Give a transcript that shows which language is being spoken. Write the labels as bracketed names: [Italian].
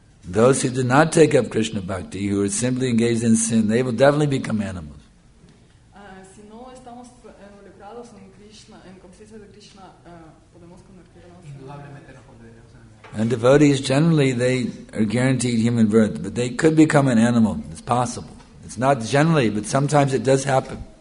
[English] Those who do not take up Krishna bhakti, who are simply engaged in sin, they will definitely become animals. [Spanish] Si no estamos involucrados en Krishna, en conciencia de Krishna, podemos convertirnos. Indudablemente. [English] And devotees, generally, they are guaranteed human birth, but they could become an animal. It's possible. It's not generally, but sometimes it does happen.